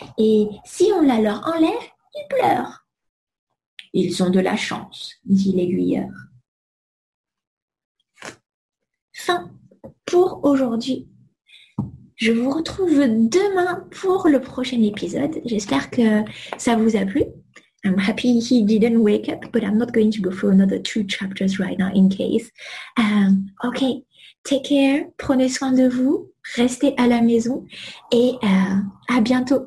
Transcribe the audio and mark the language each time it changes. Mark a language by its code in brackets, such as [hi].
[fr] Et si on la leur enlève, ils pleurent. « Ils ont de la chance, dit l'aiguilleur. » Fin. Pour aujourd'hui, je vous retrouve demain pour le prochain épisode. J'espère que ça vous a plu. [en] I'm happy he didn't wake up, but I'm not going to go for another two chapters right now in case. Okay, take care, [fr] prenez soin de vous, restez à la maison et à bientôt.